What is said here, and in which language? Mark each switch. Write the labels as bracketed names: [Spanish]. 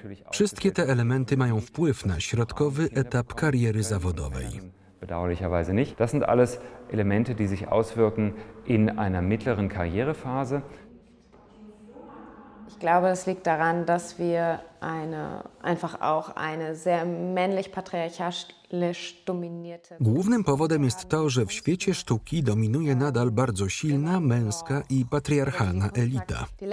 [Polish] Wszystkie te elementy mają wpływ na środkowy etap kariery zawodowej. [German] Bedauerlicherweise nicht. Das sind alles Elemente, die sich auswirken in einer mittleren Karrierephase. Ich glaube, es liegt daran, dass wir einfach auch eine sehr männlich patriarchalisch dominierte. [Polish] Głównym powodem jest to, że w świecie sztuki dominuje nadal bardzo silna męska i patriarchalna elita.